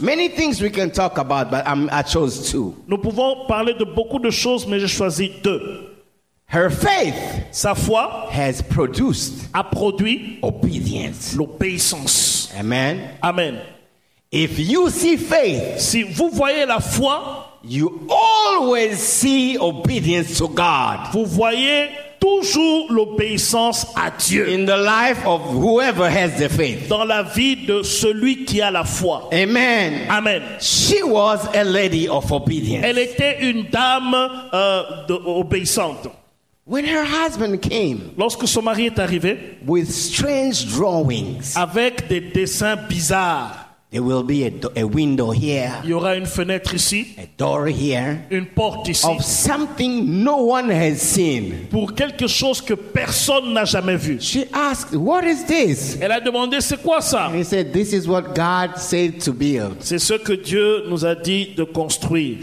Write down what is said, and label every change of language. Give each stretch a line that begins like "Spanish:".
English: Many things we can talk about, but I chose two.
French: Nous pouvons parler de beaucoup de choses, mais j'ai choisi deux.
English: Her faith.
French: Sa foi
English: has produced.
French: A produit
English: obedience.
French: L'obéissance.
English: Amen.
French: Amen.
English: If you see faith,
French: si vous voyez la foi,
English: you always see obedience to God.
French: Vous voyez toujours l'obéissance à Dieu.
English: In the life of whoever has the faith.
French: Dans la vie de celui qui a la foi.
English: Amen.
French: Amen.
English: She was a lady of obedience.
French: Elle était une dame obéissante.
English: When her husband came.
French: Lorsque son mari est arrivé.
English: With strange drawings.
French: Avec des dessins bizarres.
English: There will be a window here.
French: Il y aura une fenêtre ici.
English: A door here.
French: Une porte ici.
English: Of something no one has seen.
French: Pour quelque chose que personne n'a jamais vu.
English: She asked, "What is this?"
French: Elle a demandé, c'est quoi ça?
English: And he said, "This is what God said to build."
French: C'est ce que Dieu nous a dit de construire.